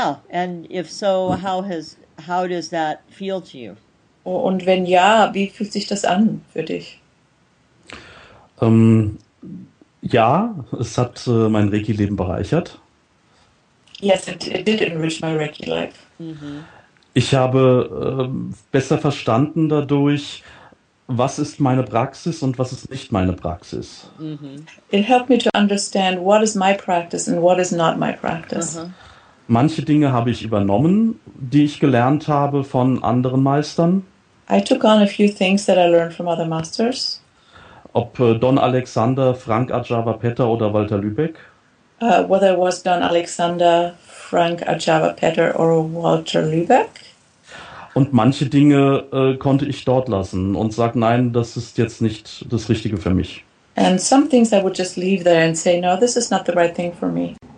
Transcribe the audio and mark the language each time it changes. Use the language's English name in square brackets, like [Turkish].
[English] And if so, how does that feel to you? [German] Und wenn ja, wie fühlt sich das an für dich? Ja, es hat mein Reiki-Leben bereichert. [English] Yes, it did enrich my Reiki life. Mm-hmm. [German] Ich habe besser verstanden dadurch, was ist meine Praxis und was ist nicht meine Praxis. [English] Mm-hmm. It helped me to understand what is my practice and what is not my practice. Uh-huh. [German] Manche Dinge habe ich übernommen, die ich gelernt habe von anderen Meistern. [English] I took on a few things that I learned from other masters. [German] Ob Don Alexander, Frank Ajava-Petter oder Walter Lübeck. [English] Whether it was Don Alexander, Frank Ajava-Petter or Walter Lübeck. [German] Und manche Dinge konnte ich dort lassen und sag nein, das ist jetzt nicht das Richtige für mich. [English] And some things I would just leave there and say no, this is not the right thing for me.